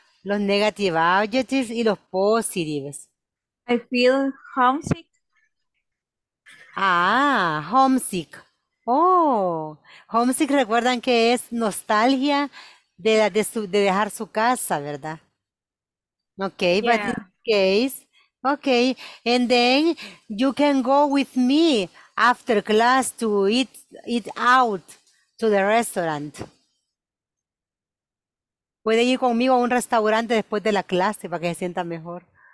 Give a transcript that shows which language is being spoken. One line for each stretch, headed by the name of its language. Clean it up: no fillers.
Spanish: Los
English: negative adjectives
Spanish: y los
English: positives. I feel homesick. Ah, homesick.
Spanish: Oh, homesick, recuerdan que es nostalgia de dejar su casa, ¿verdad?
English: Okay, but in case, okay, and then you can go with me after class to eat out to the restaurant.
Spanish: Puede ir conmigo a un restaurante después de la clase para que se sienta mejor.